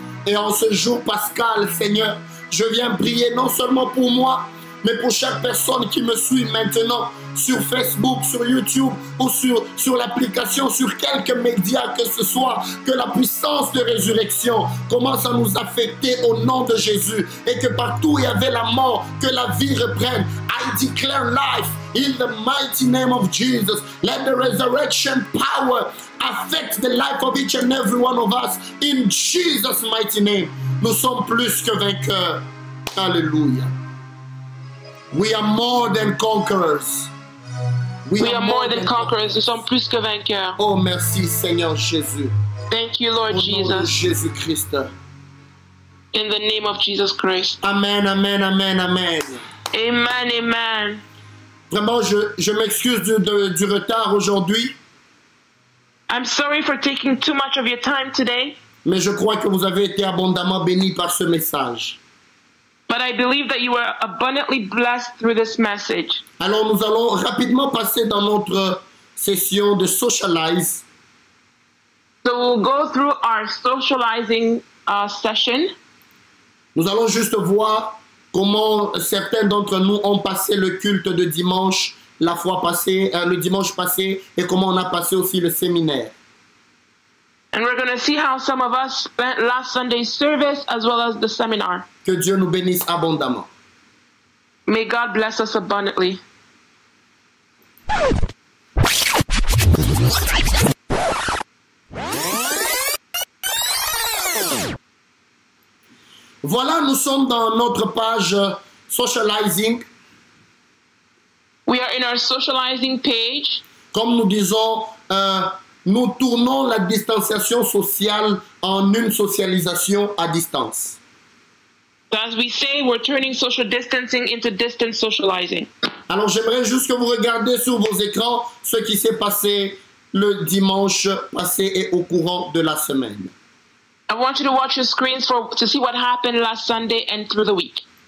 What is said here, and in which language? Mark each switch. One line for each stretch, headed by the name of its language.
French: Et en ce jour pascal, Seigneur, je viens prier non seulement pour moi, mais pour chaque personne qui me suit maintenant sur Facebook, sur YouTube ou sur l'application, sur quelque média que ce soit, que la puissance de résurrection commence à nous affecter au nom de Jésus, et que partout où il y avait la mort, que la vie reprenne.
English: I declare life in the mighty name of Jesus. Let the resurrection power affect the life of each and every one of us in Jesus' mighty name.
French: Nous sommes plus que vainqueurs. Alléluia.
English: We are more than conquerors. We are more than conquerors.
French: Nous sommes plus que vainqueurs. Oh, merci, Seigneur Jésus.
English: Thank you, Lord Jesus.
French: Au nom de Jésus Christ.
English: In the name of Jesus Christ. Amen, amen, amen, amen. Amen, amen.
French: Vraiment, je m'excuse du retard aujourd'hui.
English: I'm sorry for taking too much of your time today.
French: Mais je crois que vous avez été abondamment bénis par ce message.
English: But I believe that you are abundantly blessed through this message.
French: Alors nous allons rapidement passer dans notre session de socialize.
English: So we'll go through our socializing session.
French: Nous allons juste voir comment certains d'entre nous ont passé le culte de dimanche la fois passée, le dimanche passé, et comment on a passé aussi le séminaire.
English: And we're going to see how some of us spent last Sunday's service as well as the seminar.
French: Que Dieu nous bénisse abondamment.
English: May God bless us abundantly.
French: Voilà, nous sommes dans notre page socializing.
English: We are in our socializing page.
French: Comme nous disons, nous tournons la distanciation sociale en une socialisation à distance.
English: As we say, we're turning social distancing into distance socializing.
French: Alors, j'aimerais juste que vous regardiez sur vos écrans ce qui s'est passé le dimanche passé et au courant de la semaine.
English: I want you to watch your screens to see what happened last Sunday and through the week.